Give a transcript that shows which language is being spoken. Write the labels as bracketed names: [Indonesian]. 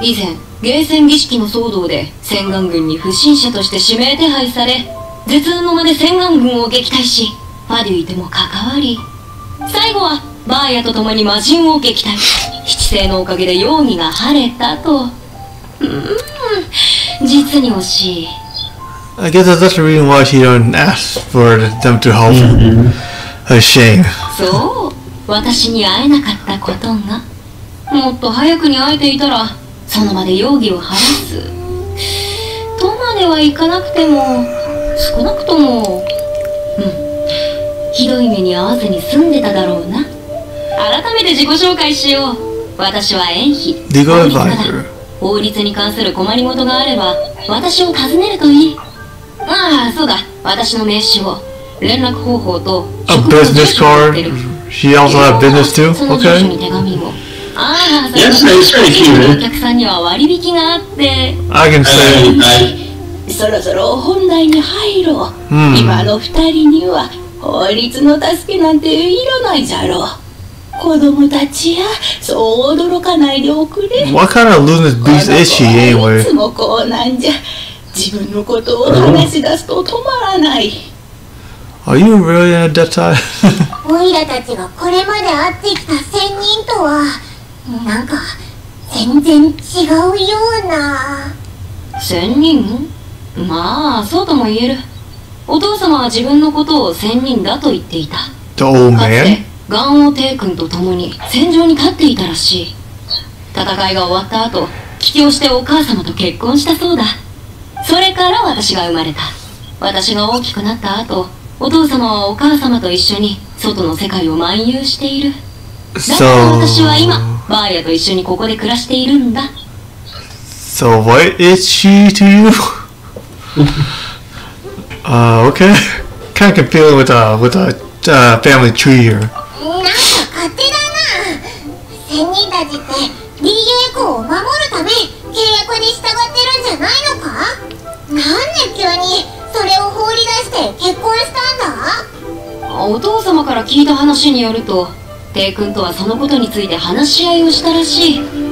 [Japanese] 以前、ゲーセン儀式の騒動で戦艦軍に不審者として指名手配され、絶望の間で戦艦軍を撃退し、ファデュイとも関わり、最後はバーヤと共に魔人を撃退、七星のおかげで容疑が晴れたと。実に惜しい。 [English] I guess that's the reason why she don't ask for them to help her. Her shame. [Japanese] そう、私に会えなかったことが。もっと早くに会えていたらその場で容疑を晴らすとまではいかなくても、少なくとも、ひどい目に遭わずに済んでただろうな。改めて自己紹介しよう。私は縁妃、リガルバイザー。法律に関する困りごとがあれば私を尋ねるといい。ああ、そうだ、私の名刺を、連絡方法と職務を教えてくれてる。 [English] She also had business too? Okay. Yes, it's pretty cute. I can say. [Japanese] そろそろ本題に入ろう。今の二人には法律の助けなんていらないじゃろう。子供たちや、そう驚かないでおくれ。 [English] What kind of lunatic beast is she anyway? [Japanese] いつもこうなんじゃ。自分のことを話し出すと止まらない。 [English] Are you really at that time? [Japanese] オイラたちがこれまで会ってきた仙人とは、なんか全然違うような。仙人？まあそうとも言える。お父様は自分のことを仙人だと言っていた。 [English] The old man? [Japanese] かつてガンオテイ君と共に戦場に立っていたらしい。戦いが終わった後、帰郷してお母様と結婚したそうだ。それから私が生まれた。私が大きくなった後、お父様はお母様と一緒に外の世界を漫遊している。だから私は今バーヤと一緒にここで暮らしているんだ。 [English] So what is she to you? okay. Kind of feeling with a family tree here. [Japanese] なんか勝手だな。仙人たちって DA 校を守るため契約に従ってるんじゃないのか。なんで急にそれを放り出して結婚したんだ。お父様から聞いた話によると、テイ君とはそのことについて話し合いをしたらしい。